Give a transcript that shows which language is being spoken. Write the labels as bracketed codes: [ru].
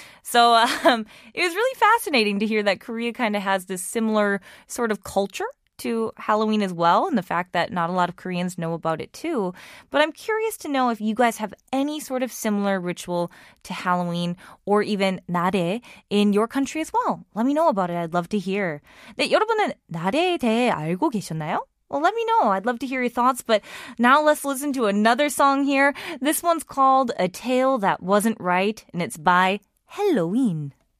[en] So it was really fascinating to hear that Korea kind of has this similar sort of culture to Halloween as well, and the fact that not a lot of Koreans know about it too. But I'm curious to know if you guys have any sort of similar ritual to Halloween or even 날에 in your country as well. Let me know about it. I'd love to hear. [ko] 네, 여러분은 날에에 대해 알고 계셨나요? [en] Well, let me know. I'd love to hear your thoughts. But now let's listen to another song here. This one's called A Tale That Wasn't Right, and it's by Halloween.